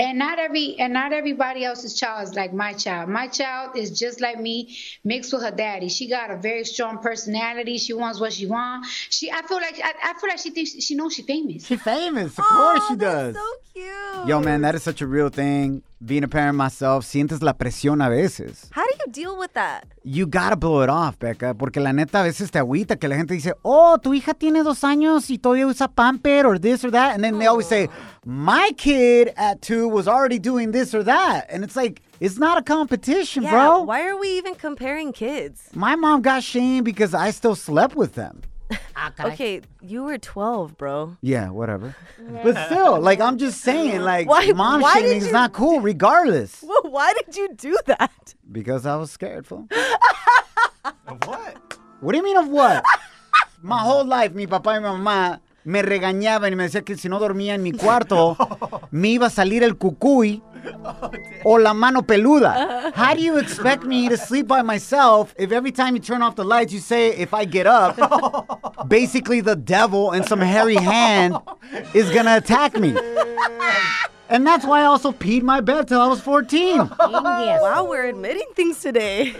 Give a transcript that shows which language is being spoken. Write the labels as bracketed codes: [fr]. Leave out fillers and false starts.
[en] And not everybody else's child is like my child. My child is just like me, mixed with her daddy. She got a very strong personality. She wants what she wants. I feel like she thinks she knows she's famous. She's famous. Of course she does. That's so cute. Yo, man, that is such a real thing. Being a parent myself, [es] sientes la presión a veces. [en] How do you deal with that? You gotta blow it off, Becca, [es] porque la neta a veces te agüita que la gente dice, oh, tu hija tiene 2 años y todavía usa Pampers [en] or this or that. And then they always say, my kid at 2 was already doing this or that. And it's like, it's not a competition, bro. Yeah, why are we even comparing kids? My mom got shamed because I still slept with them. Okay, you were 12, bro. Yeah, whatever. But still, like, I'm just saying, like, mom shaming is not cool regardless. Well, why did you do that? Because I was scared, fool. Of what? What do you mean of what? My whole life, [es] mi papá y mi mamá me regañaban y me decía que si no dormía en mi cuarto, me iba a salir el cucuy o la mano peluda. [en] How do you expect me to sleep by myself if every time you turn off the lights, you say if I get up, basically the devil and some hairy hand is going to attack me? And that's why I also peed my bed till I was 14. Wow, we're admitting things today.